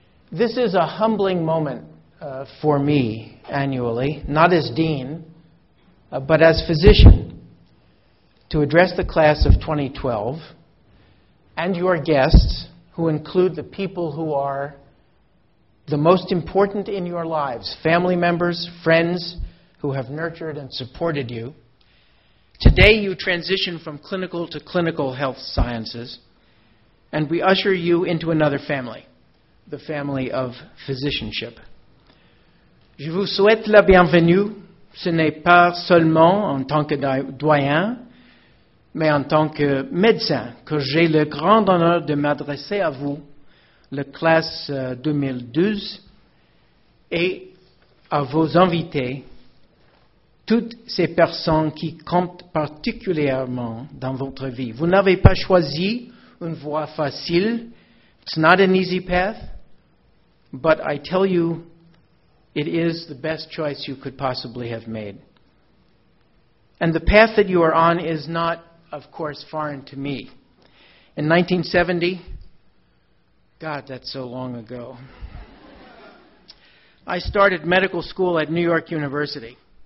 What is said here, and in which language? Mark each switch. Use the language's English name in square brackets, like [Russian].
[English] This is a humbling moment for me annually, not as dean, but as physician, to address the class of 2012 and your guests, who include the people who are the most important in your lives, family members, friends who have nurtured and supported you. Today you transition from clinical to clinical health sciences, and we usher you into another family, the family of physicianship. [French] Je vous souhaite la bienvenue, ce n'est pas seulement en tant que doyen, mais en tant que médecin, que j'ai le grand honneur de m'adresser à vous, la classe 2012, et à vos invités, toutes ces personnes qui comptent particulièrement dans votre vie. Vous n'avez pas choisi une voie facile. [English] It's not an easy path, but I tell you, it is the best choice you could possibly have made. And the path that you are on is not, of course, foreign to me. In 1970, God, that's so long ago, I started medical school at New York University.